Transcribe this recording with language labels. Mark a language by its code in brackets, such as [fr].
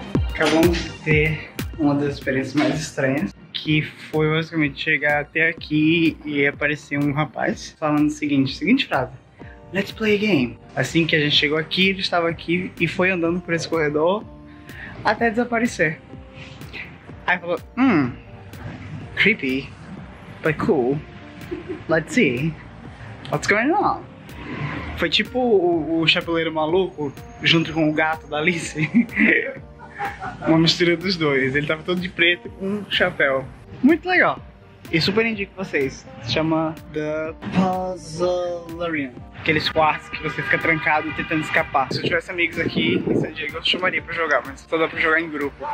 [pt] Acabamos de ter uma das experiências mais estranhas, que foi basicamente chegar até aqui e aparecer um rapaz falando a seguinte frase: [en] let's play a game. [pt] Assim que a gente chegou aqui, ele estava aqui e foi andando por esse corredor até desaparecer. Aí falou, [en] creepy, but cool, let's see, what's going on? [pt] Foi tipo o chapeleiro maluco junto com o gato da Alice. Uma mistura dos dois. Ele tava todo de preto com um chapéu. Muito legal. E super indico vocês. Se chama The Puzzlerian. Aqueles quartos que você fica trancado tentando escapar. Se eu tivesse amigos aqui em San Diego, eu chamaria pra jogar, mas só dá pra jogar em grupo.